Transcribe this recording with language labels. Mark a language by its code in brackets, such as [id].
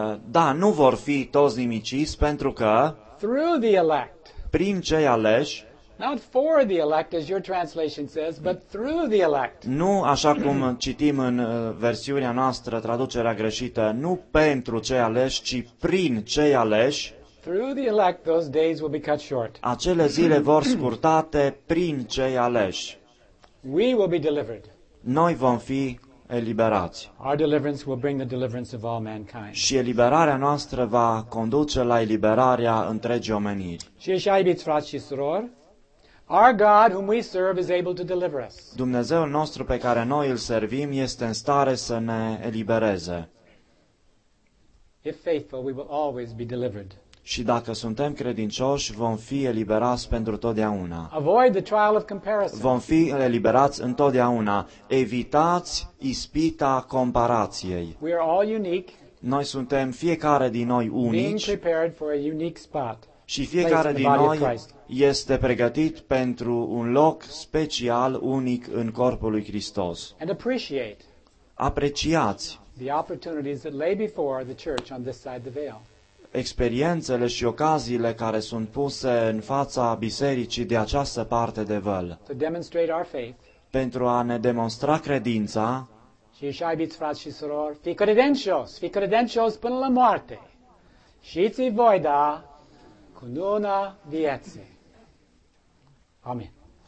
[ro] da, nu vor fi toți nimiciți, pentru că [en] through the elect, [ro] prin cei aleși. [en] Not for the elect, as your translation says, but through the elect. [ro] Nu așa cum citim în versiunea noastră, traducerea greșită, nu pentru cei aleși, ci prin cei aleși. [en] Through the elect, those days will be cut short. [ro] Acele zile vor scurtate prin cei aleși. [en] We will be delivered. [ro] Noi vom fi eliberați. [en] Our deliverance will bring the deliverance of all mankind. [ro] Și eliberarea noastră va conduce la eliberarea întregii omeniri. Și așa, iubiți frați și surori, [en] our God whom we serve is able to deliver us. [ro] Dumnezeul nostru pe care noi îl servim este în stare să ne elibereze. [en] If faithful, we will always be delivered. [ro] Și dacă suntem credincioși, vom fi eliberați pentru totdeauna. [en] Avoid the trial of comparison. [ro] Vom fi eliberați întotdeauna. Evitați ispita comparației. [en] We are all unique. [ro] Noi suntem fiecare din noi unici. [en] Being prepared for a unique spot. [ro] Și fiecare din noi este pregătit pentru un loc special, unic în corpul lui Hristos. [en] And appreciate. [ro] Apreciați. [en] The opportunities that lay before the church on this side the veil. [ro] Experiențele și ocaziile care sunt puse în fața bisericii de această parte de văl. [en] To demonstrate our faith. [ro] Pentru a ne demonstra credința. Și așa, iubiți frați și surori, fii credincios, fii credincios până la moarte. Și ți-i voi da cununa vieții. Amen.